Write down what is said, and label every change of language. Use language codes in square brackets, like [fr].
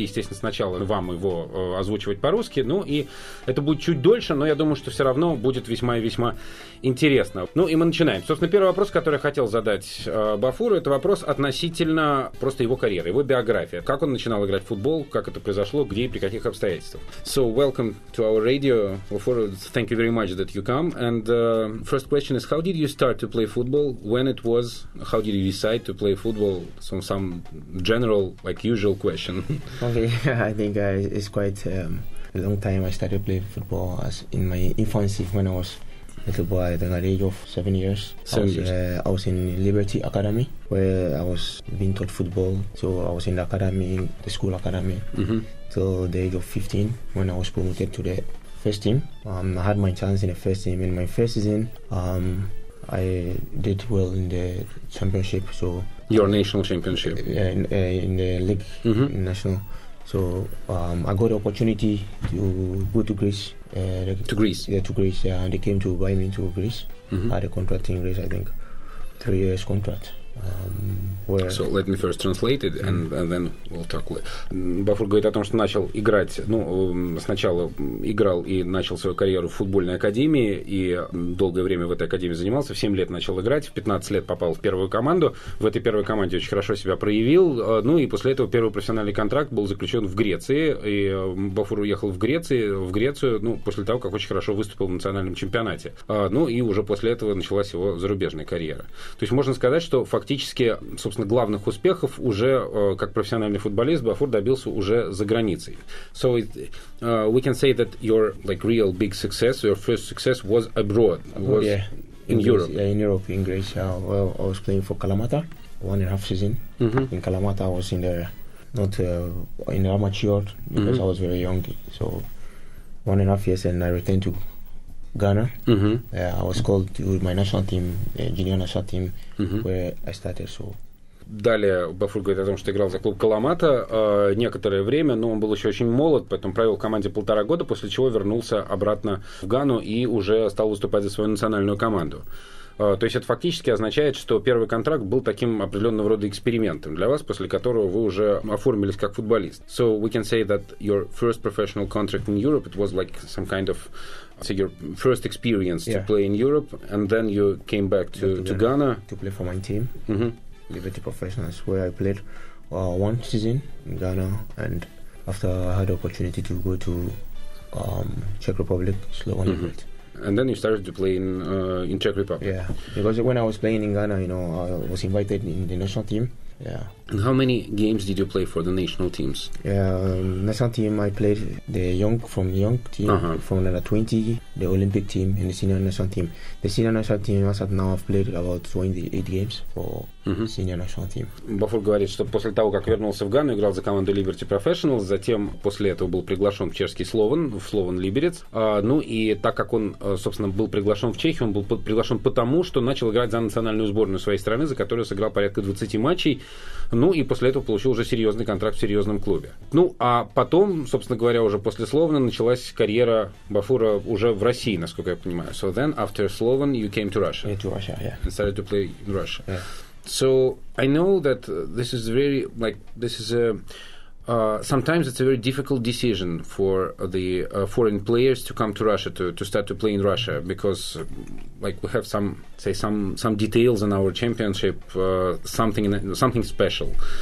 [ru] Естественно, сначала вам его озвучивать по-русски. Ну и это будет чуть дольше, но я думаю, что все равно будет весьма и весьма интересно. Ну и мы начинаем. Собственно, первый вопрос, который я хотел задать Бафуру, это вопрос относительно просто его карьеры, его биография. Как он начинал играть в футбол, как это произошло, где и при каких обстоятельствах. [en] So, welcome to our radio. Bafur, thank you very much that you come. And first question is, how did you start to play football? When it was? How did you decide to play football? Some general, like usual question. Okay, I think it's quite a long time I started to play football as in my infancy when I was little boy, at the age of 7 years. I was in Liberty Academy, where I was being taught football. So I was in the academy, the school academy, till the age of 15, when I was promoted to the first team. I had my chance in the first team. In my first season, I did well in the championship. So your national championship? In the league, national. So I got the opportunity to go to Greece. To Greece, and they came to buy me to Greece. Had a contract in Greece, I think, 3 years contract. So let me first translate it, and then we'll talk. [ru] Бафур говорит о том, что начал играть, ну, сначала играл и начал свою карьеру в футбольной академии, и долгое время в этой академии занимался, в 7 лет начал играть, в 15 лет попал в первую команду, в этой первой команде очень хорошо себя проявил, ну и после этого первый профессиональный контракт был заключен в Греции, и Бафур уехал в Грецию, ну, после того, как очень хорошо выступил в национальном чемпионате. Ну и уже после этого началась его зарубежная карьера. То есть можно сказать, что фактически, собственно, главных успехов уже как профессиональный футболист Бафур добился уже за границей. [en] So it, we can say that your like real big success, your first success was abroad, was in Europe. Yeah, in Europe, in Greece. Well, I was playing for Kalamata, one and a half season. Mm-hmm. In Kalamata, I was in the not in the amateur because mm-hmm. I was very young. So one and a half years, and I returned to Ghana. Mm-hmm. I was called to my national team, junior national team, mm-hmm. where I started. So. [ru] Далее Бафур говорит о том, что играл за клуб «Каламата» некоторое время, но он был еще очень молод, поэтому провел в команде полтора года, после чего вернулся обратно в Гану и уже стал выступать за свою национальную команду. То есть это фактически означает, что первый контракт был таким определенного рода экспериментом для вас, после которого вы уже оформились как футболист. [en] So we can say that your first professional contract in Europe, it was like some kind of, say, your first experience to play in Europe, and then you came back to Ghana. To play for my team. Mm-hmm. Liberty Professionals, where I played one season in Ghana, and after I had the opportunity to go to Czech Republic, Slovenia. Mm-hmm. And then you started to play in Czech Republic. Yeah, because when I was playing in Ghana, you know, I was invited in the national team. Yeah. And how many games did you play for the national teams? National team, I played the young team, uh-huh. from under 20, the Olympic team, and the senior national team. The senior national team, as of now, I've played about 28 games for uh-huh. senior national team. [ru] Бафур говорит, что после того, как вернулся в Гану, играл за команду Liberty Professionals, затем после этого был приглашен в чешский Слован, в Слован Либерец. Ну и так как он, собственно, был приглашен в Чехию, он был приглашен потому, что начал играть за национальную сборную своей страны, за которую сыграл порядка 20 матчей. Ну, и после этого получил уже серьезный контракт в серьезном клубе. Ну, а потом, собственно говоря, уже после Словена началась карьера Бафура уже в России, насколько я понимаю. [en] So then, after Slovan, you came to Russia. Yeah, to Russia, yeah. And started to play in Russia. Yeah. So, I know that this is very, like, this is a... sometimes it's a very difficult decision for the foreign players to come to Russia, to start to play in Russia, because like we have some details in our championship, something special.